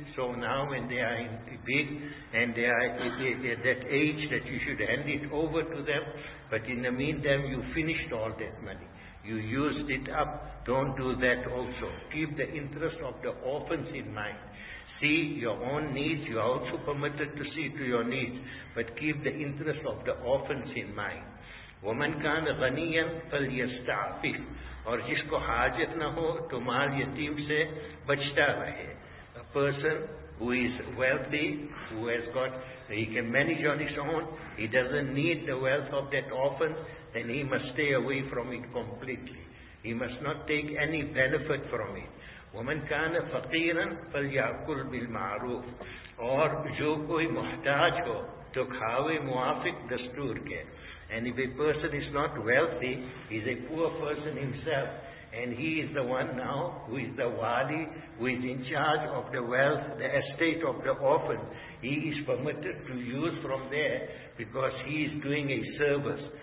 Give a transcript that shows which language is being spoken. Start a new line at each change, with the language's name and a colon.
English: So now when they are big and they are at that age that you should hand it over to them, but in the meantime you finished all that money, you used it up. Don't do that also. Keep the interest of the orphans in mind. See your own needs, you are also permitted to see to your needs, but keep the interest of the orphans in mind.
Arabic: وَمَنْ كَانَ غَنِيًا فَلْيَسْتَعْفِفْ.
Urdu: اور جس کو حاجت نہ ہو تو مال یتیم سے بچتا رہے.
English: A person who is wealthy, who has got, he can manage on his own, he doesn't need the wealth of that orphan, then he must stay away from it completely. He must not take any benefit from it.
Arabic: وَمَنْ كَانَ فَقِيرًا فَلْيَأْكُلْ بِالْمَعْرُوفِ.
Urdu: اور جو کوئی محتاج ہو تو کھاوے موافق دستور کے.
English: And if a person is not wealthy, he is a poor person himself, and he is the one now who is the wali, who is in charge of the wealth, the estate of the orphan, he is permitted to use from there because he is doing a service.